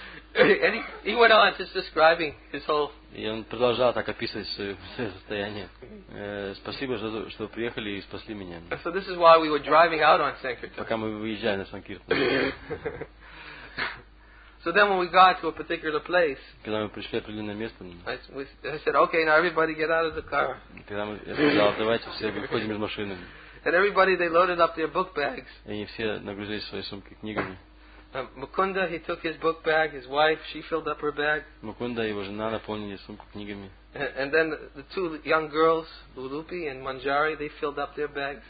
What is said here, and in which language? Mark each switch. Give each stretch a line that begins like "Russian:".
English: And he went on just describing his whole.
Russian: И он продолжал так описывать свое состояние. Спасибо, что приехали и спасли меня.
English: So this is why we were driving out on Sankirtan.
Russian: Пока мы выезжали на Санкиртан.
English: So then when we got to a particular place,
Russian: когда мы пришли в определенное место,
English: I said, okay, now everybody get out of the car.
Russian: Когда я сказал, давайте все выходим из машины.
English: And everybody, they loaded up their book bags.
Russian: И они все нагрузили свои сумки книгами.
English: Mukunda, he took his book bag. His wife, she filled up her bag.
Russian: Mukunda, его жена наполнили сумку книгами.
English: And then the two young girls, Lupi and Manjari, they filled up their bags.